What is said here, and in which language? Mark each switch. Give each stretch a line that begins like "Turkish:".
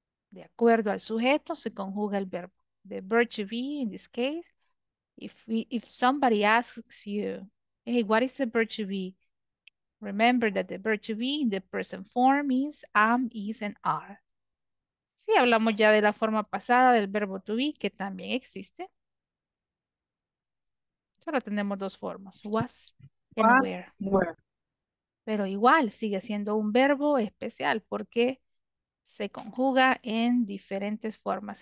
Spanish: De acuerdo al sujeto, se conjuga el verbo.
English: The verb to be, in this case, if somebody asks you, hey, what is the verb to be? Remember that the verb to be in the present form is am, is, and are.
Spanish: Sí, hablamos ya de la forma pasada del verbo to be, que también existe. Solo tenemos dos formas, was and were. Pero igual sigue siendo un verbo especial porque se conjuga en diferentes formas.